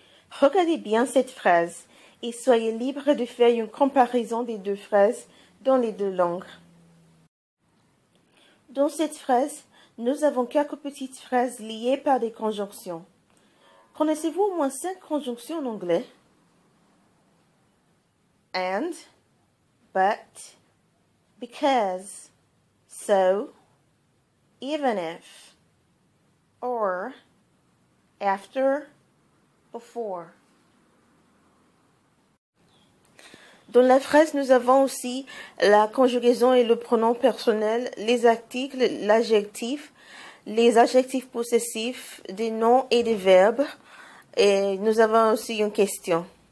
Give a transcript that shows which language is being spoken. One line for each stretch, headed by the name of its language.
French: Regardez bien cette phrase et soyez libre de faire une comparaison des deux phrases dans les deux langues. Dans cette phrase, nous avons quelques petites phrases liées par des conjonctions. Connaissez-vous au moins cinq conjonctions en anglais?
English: And, but, because, so, even if, or, after, before.
French: Dans la phrase, nous avons aussi la conjugaison et le pronom personnel, les articles, l'adjectif, les adjectifs possessifs, des noms et des verbes. Et nous avons aussi une question.